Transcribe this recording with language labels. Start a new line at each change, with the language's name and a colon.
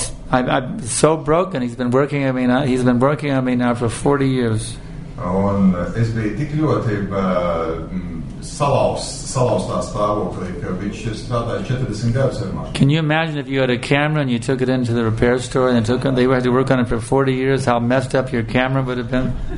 English: I was so broken. He's been working on me now for 40 years.
Latvian: Un es biju tik ļoti salaustā stāvoklī, ka viņš ir strādājis 40 gadus ar mani.
English: Can you imagine if you had a camera and you took it into the repair store and they had to work on it for 40 years, how messed up your camera would have been?